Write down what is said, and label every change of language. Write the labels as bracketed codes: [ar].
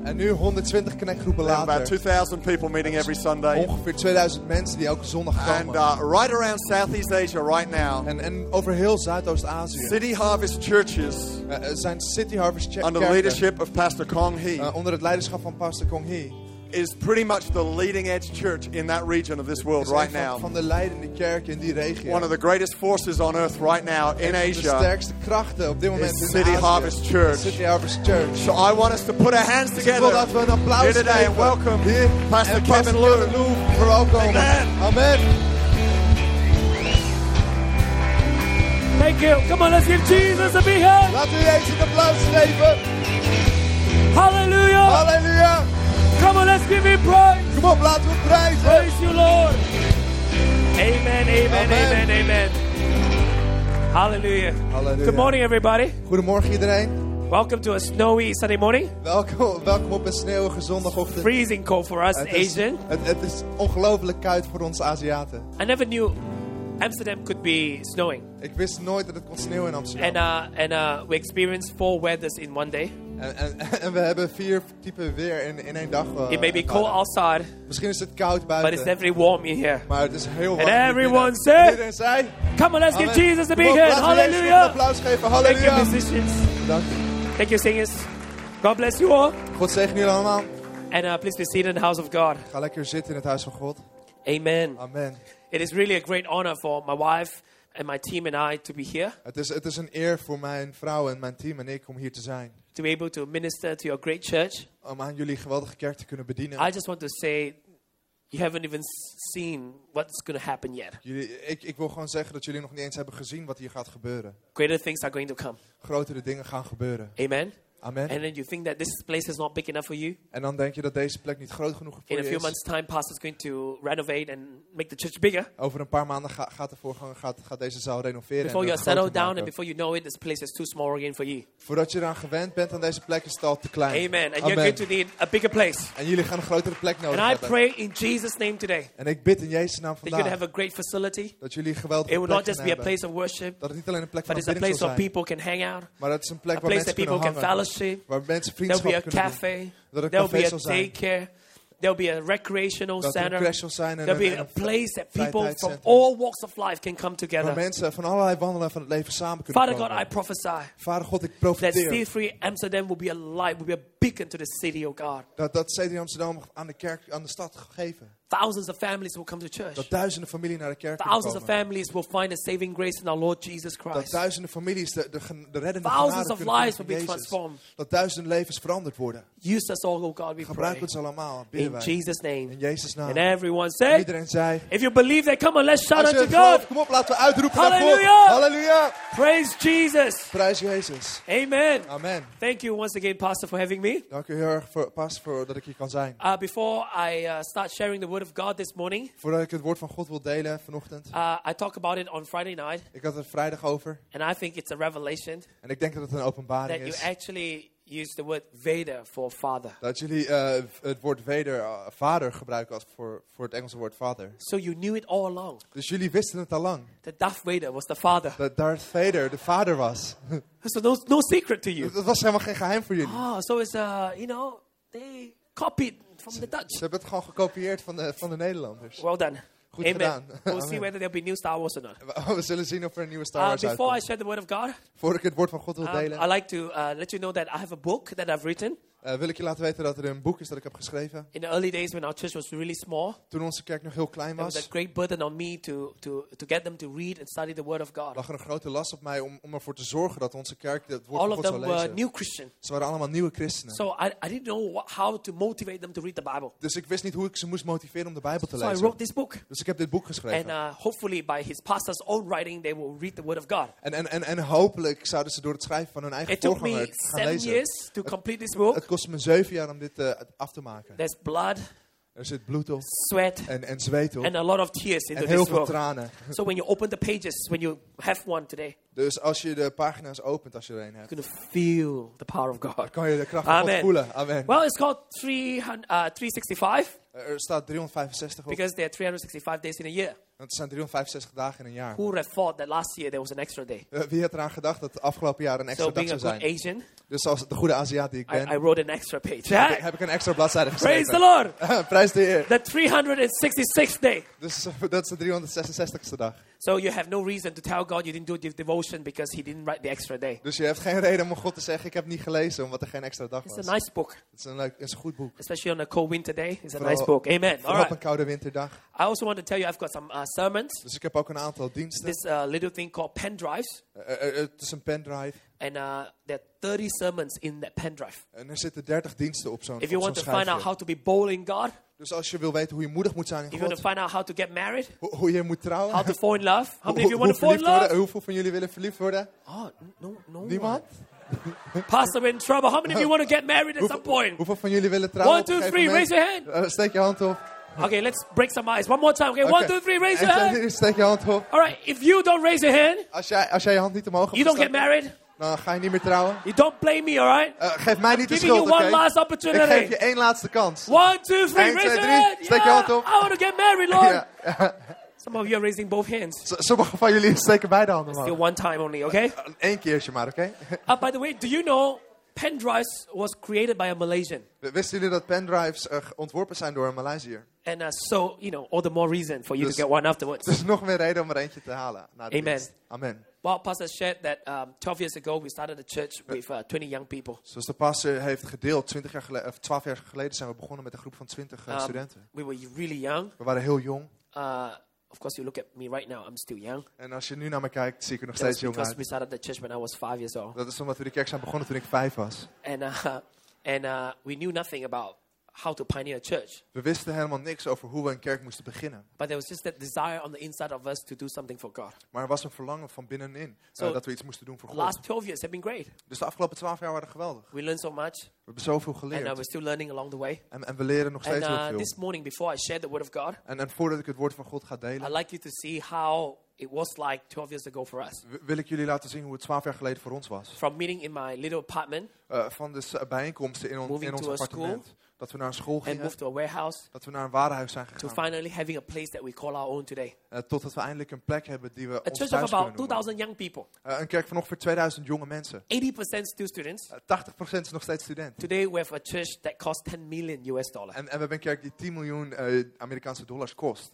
[nl] En nu 120 connect groepen later. [en] About 2,000 people meeting every Sunday. [nl] Ongeveer 2,000 mensen die elke zondag komen. [en] And right around Southeast Asia right now. [nl] En over heel Zuidoost-Azië. [en] City Harvest Churches. [nl] Zijn City Harvest Churches. [en] Under the leadership of Pastor Kong Hee. [nl] Onder het leiderschap van Pastor Kong Hee. [en] Is pretty much the leading edge church in that region of this world right now. [nl] Van de leidende kerk in die regio. [en] One of the greatest forces on earth right now in Asia. [nl] De sterkste krachten op dit moment [en] in City Harvest Church. City Harvest Church. So I want us to put our hands together. [nl] Dus ik wil dat we een applaus [en] here today and welcome here Pastor Kevin Lu. Welcome. Amen. Amen. Thank you. Come on, let's give Jesus a big hand. [nl] Laten we even een applaus geven. [en] Hallelujah. Hallelujah. Come on, let's give him praise. Come on, [nl] laten we prijzen. [en] Praise you, Lord. Amen, amen, amen, amen, amen. Hallelujah. Hallelujah. Good morning, everybody. [nl] Goedemorgen, iedereen. [en] Welcome to a snowy Sunday morning. [nl] Welkom op een sneeuwige zondagochtend. [en] It's freezing cold for us Asians. [nl] Het is ongelooflijk koud voor ons Aziaten. [en] I never knew Amsterdam could be snowing. [nl] Ik wist nooit dat het kon sneeuwen in Amsterdam. [en] And we experienced four weathers in one day. [nl] En we hebben vier typen weer in één dag. [en] It may be cold outside. [nl] Misschien is het koud buiten. [en] But it's definitely warm in here. [nl] Maar het is heel warm. [en] And everyone said, come on, let's give Jesus a big hand. Hallelujah. [nl] Applaus geven. Hallelujah. [en] Thank you, musicians. [nl] Dank. [en] Thank you, singers. God bless you all. [nl] God zegen jullie allemaal. [en] And please be seated in the house of God. [nl] Ga lekker zitten in het huis van God. Amen. Amen. [en] It is really a great honor for my wife and my team and I to be here. [nl] Het is een eer voor mijn vrouw en mijn team en ik om hier te zijn. [en] To be able to minister to your great church. [nl] Om aan jullie geweldige kerk te kunnen bedienen. [en] I just want to say, you haven't even seen what's going to happen yet. [nl] Ik wil gewoon zeggen dat jullie nog niet eens hebben gezien wat hier gaat gebeuren. [en] Greater things are going to come. [nl] Grotere dingen gaan gebeuren. Amen. Amen. [en] And then you think that this place is not big enough for you. [nl] En dan denk je dat deze plek niet groot genoeg voor je is. [en] In a few months time, pastor is going to renovate and make the church bigger. [nl] Over een paar maanden gaat de voorganger gaat deze zaal renoveren. [en] Before you're settled down and before you know it, this place is too small again for you. [nl] Voordat je eraan gewend bent aan deze plek is het al te klein. Amen. [en] And you're going to need a bigger place. [nl] En jullie gaan een grotere plek nodig hebben. [en] And I pray in Jesus' name today. [nl] En ik bid in Jezus' naam vandaag. [en] That you have a great facility. [nl] Dat jullie een geweldige plek hebben. [en] It will not just be a place of worship. [nl] Dat het niet alleen een plek van bidden zal zijn. [en] But it's a place where people can hang out. [nl] Maar dat is een plek waar mensen kunnen hangen. [en] A place that people can fellowship. [nl] Waar mensen vriendschappen kunnen doen. [en] There'll be a cafe. There'll be a daycare. There'll be a recreational center. [nl] Recreational zijn en [en] there'll be a place that people from all walks of life can come together. [nl] Waar mensen van allerlei wandelen van het leven samen kunnen komen. [en] Father God, I prophesy. [nl] Vader God, ik profeteer. [en] That C3 Amsterdam will be a light, will be a beacon to the city, oh God. [nl] Dat C3 Amsterdam aan de kerk, aan de stad gegeven. [en] Thousands of families will come to church. [nl] Dat duizenden families naar de kerk komen. [en] Thousands of families will find a saving grace in our Lord Jesus Christ. [nl] Dat duizenden families de reddende genade kunnen vinden. [en] Thousands of lives will be transformed. [nl] Dat duizenden levens veranderd worden. [en] Use us all, oh God, we pray. [nl] Gebruik ons allemaal, bidden wij. [en] In Jesus' name. [nl] In Jezus' naam. [en] And everyone say. [nl] Iedereen zei. [en] If you believe that, come on, let's shout out to God. [nl] Kom op, laten we uitroepen. Hallelujah. Hallelujah. [en] Praise Jesus. [nl] Prijs Jezus. Amen. Amen. [en] Thank you once again, Pastor, for having me. [nl] Dank u heel erg voor Pastor dat ik hier kan zijn. [en] Before I start sharing the word of God this morning. [nl] Voordat ik het woord van God wil delen vanochtend. [en] I talk about it on Friday night. [nl] Ik had het vrijdag over. [en] And I think it's a revelation. [nl] En ik denk dat het een openbaring [en] that [nl] is. [en] That you actually use the word Vader for father. [nl] Dat jullie het woord Vader, vader gebruiken als voor het Engelse woord vader. [en] So you knew it all along. [nl] Dus jullie wisten het al lang. [en] That Darth Vader was the father. [nl] That Darth Vader de vader was. [en] So no secret to you. [nl] Dat was helemaal geen geheim voor jullie. [en] Ah, so it's you know, they copied from the Dutch. [nl] Ze hebben het gewoon gekopieerd van de Nederlanders. [en] Well done. [nl] Goed Amen. Gedaan. [en] We'll see whether there'll be new Star Wars or not. [nl] We zullen zien of er een nieuwe Star Wars uitkomt. [en] Before I share the word of God, [nl] voor ik het woord van God wil delen, [en] I like to let you know that I have a book that I've written. [nl] Wil ik je laten weten dat er een boek is dat ik heb geschreven. [en] In the early days when our church was really small. [nl] Toen onze kerk nog heel klein was. [en] There was a great burden on me to get them to read and study the word of God. [nl] Lag er een grote last op mij om ervoor te zorgen dat onze kerk het woord van God zou lezen. [en] All of them were new Christians. [nl] Ze waren allemaal nieuwe christenen. [en] So I didn't know how to motivate them to read the Bible. [nl] Dus ik wist niet hoe ik ze moest motiveren om de Bijbel te lezen. [en] So I wrote this book. [nl] Dus ik heb dit boek geschreven. [en] And hopefully by his pastor's own writing they will read the word of God. [nl] En hopelijk zouden ze door het schrijven van hun eigen voorganger gaan lezen. [en] It took me 7 years to complete this book. [nl] Het kost me 7 jaar om dit af te maken. [en] There's blood, [nl] er zit bloed op. [en] Sweat, [nl] en zweet op. [en] And a lot of tears into [nl] en heel [en] this [nl] veel [en] book. [nl] Tranen. [en] So when you open the pages, when you have one today, [nl] dus als je de pagina's opent, als je er een hebt. [en] You can feel the power of God. [nl] Kan je de kracht van God voelen. Amen. [en] Well, it's called 365. [nl] Er staat 365 op. [en] Because there are 365 days in a year. [nl] Want het zijn 365 dagen in een jaar. [en] Who would have thought that last year there was an extra day? [nl] Wie had eraan gedacht dat het afgelopen jaar een extra [en] so [nl] dag zou zijn? [en] Asian, [nl] dus als de goede Aziat die ik ben. [en] I wrote an extra page. Yeah? [nl] Heb ik een extra bladzijde geschreven. [en] Praise the Lord. [nl] Prijs de Heer. [en] The 366th day. [nl] Dus dat is de 366ste dag. [en] So you have no reason to tell God you didn't do the devotion because he didn't write the extra day. [nl] Dus je hebt geen reden om God te zeggen ik heb niet gelezen omdat er geen extra dag was. [en] It's a nice book. [nl] Het is een goed boek. [en] Especially on a cold winter day. It's a nice book. Amen. [nl] Vooral op een koude winterdag. [en] I also want to tell you I've got some sermons. [nl] Dus ik heb ook een aantal diensten. [en] This little thing called pen drives. [nl] Het is een pen drive. [en] And there are 30 sermons in that pen drive. [nl] En er zitten 30 diensten op zo'n schijfje. [en] If you want to find out how to be bold in God. [nl] Dus als je wil weten hoe je moedig moet zijn in [en] if [nl] God. [en] If you want to find out how to get married. [nl] Hoe je moet trouwen. [en] How to fall in love. How many of you want to fall in love? [nl] Hoeveel van jullie willen verliefd worden? [en] Oh, no. [nl] Niemand? [en] Pastor, we're in trouble. How many of you want to get married at some point? [nl] Hoeveel van jullie willen trouwen? [en] 1, 2, 3, raise your hand. [nl] Steek je hand op. [en] Okay, let's break some ice. One more time. Okay, 1, 2, 3, raise your hand. [nl] Steek je hand op. [en] All right, if you don't raise your hand. [nl] Als jij je hand niet omhoog hebt. [en] You don't get married. [nl] Dan ga je niet meer trouwen. [en] You don't blame me, all right? [nl] Geef mij niet [en] I'm [nl] de schuld, [en] you one last opportunity. [nl] Ik geef je één laatste kans. [en] 1, 2, 3, raise your hand. [nl] Steek je hand op. [en] I want to get married, Lord. Yeah. Some of you are raising both hands. [nl] Sommige van jullie steken beide handen omhoog. [en] Still one time only, okay? [nl] Eén keertje maar, okay? [en] By the way, do you know pen drives was created by a Malaysian? [nl] Wisten jullie dat pen drives ontworpen zijn door een Maleisiër? [en] And so, you know, all the more reason for you [nl] dus, [en] to get one afterwards. [nl] Dus nog meer reden om er eentje te halen. Na de amen. Dienst. Amen. [en] Well, pastor shared that 12 years ago we started a church with 20 young people. [nl] Zoals de pastor heeft gedeeld, 12 jaar geleden zijn we begonnen met een groep van 20 studenten. [en] We were really young. [nl] We waren heel jong. [en] Of course, you look at me right now. I'm still young. [nl] En als je nu naar me kijkt, zie ik er nog steeds jong uit. [en] Because we started the church when I was 5 years old. [nl] Dat is omdat we de kerk zijn begonnen toen ik 5 was. [en] And we knew nothing about how to pioneer a church. [nl] We wisten helemaal niks over hoe we een kerk moesten beginnen. [en] But there was just that desire on the inside of us to do something for God. [nl] Maar er was een verlangen van binnenin dat we iets moesten doen voor God. [en] Last 12 years have been great. [nl] Dus de afgelopen 12 jaar waren geweldig. [en] We learned so much. [nl] We hebben zoveel geleerd. [en] And we're still learning along the way. [nl] En we leren nog steeds heel veel. [en] This morning before I share the word of God. [nl] En voordat ik het woord van God ga delen. [en] I'd like you to see how it was like 12 years ago for us. [nl] Wil ik jullie laten zien hoe het 12 jaar geleden voor ons was. [en] From meeting in my little apartment. [nl] Van de bijeenkomsten in ons appartement. [en] School, [nl] dat we naar een school gingen. [en] And moved to a warehouse, [nl] dat we naar een warenhuis zijn gegaan. [en] To finally having a place that we call our own today. [nl] Totdat we eindelijk een plek hebben die we [en] a [nl] ons thuis kunnen noemen. [en] 2000 young people. [nl] Een kerk van ongeveer 2000 jonge mensen. [en] 80% still students. [nl] 80% is nog steeds student. [en] Today we have a church that costs $10 million. [nl] En we hebben een kerk die 10 miljoen Amerikaanse dollars kost.